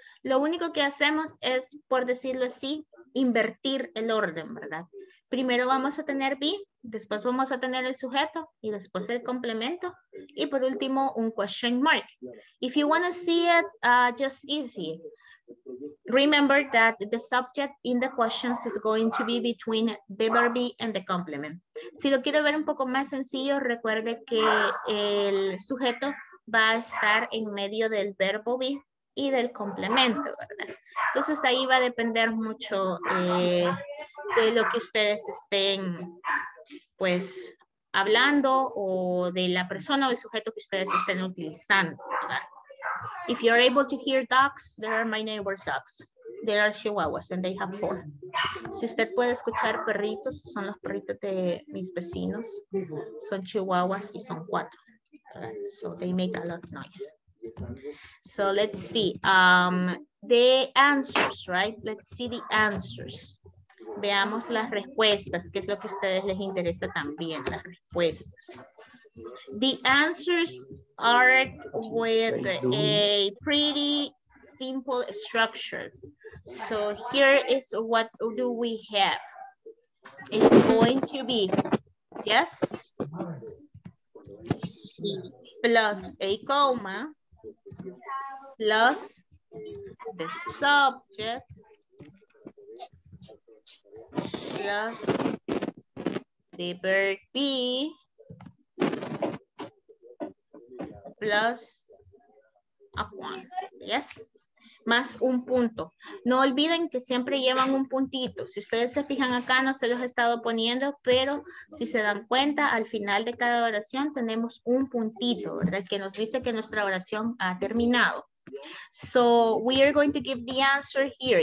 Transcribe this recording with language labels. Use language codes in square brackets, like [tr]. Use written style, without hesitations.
[es] Lo único que hacemos es, por decirlo así, invertir el orden, ¿verdad? Primero vamos a tener be, después vamos a tener el sujeto y después el complemento y por último un question mark. [en] If you want to see it just easy, remember that the subject in the questions is going to be between the verb be and the complement. [es] Si lo quiero ver un poco más sencillo, recuerde que el sujeto va a estar en medio del verbo be y del complemento, ¿verdad? Entonces ahí va a depender mucho de lo que ustedes estén pues hablando o de la persona o el sujeto que ustedes estén utilizando, ¿verdad? [en] If you're able to hear dogs, there are my neighbor's dogs. There are chihuahuas and they have four. [es] Si usted puede escuchar perritos, son los perritos de mis vecinos. Son chihuahuas y son cuatro. [en] So they make a lot of noise. So let's see. The answers, right? Let's see the answers. [es] Veamos las respuestas, que es lo que a ustedes les interesa también, las respuestas. [en] The answers are with a pretty simple structure. So here is what do we have. It's going to be, yes, plus a comma, plus the subject, plus the verb be, plus a one, yes, [es] más un punto. No olviden que siempre llevan un puntito. Si ustedes se fijan acá, no se los he estado poniendo, pero si se dan cuenta, al final de cada oración tenemos un puntito, ¿verdad? Que nos dice que nuestra oración ha terminado. [en] So we are going to give the answer here.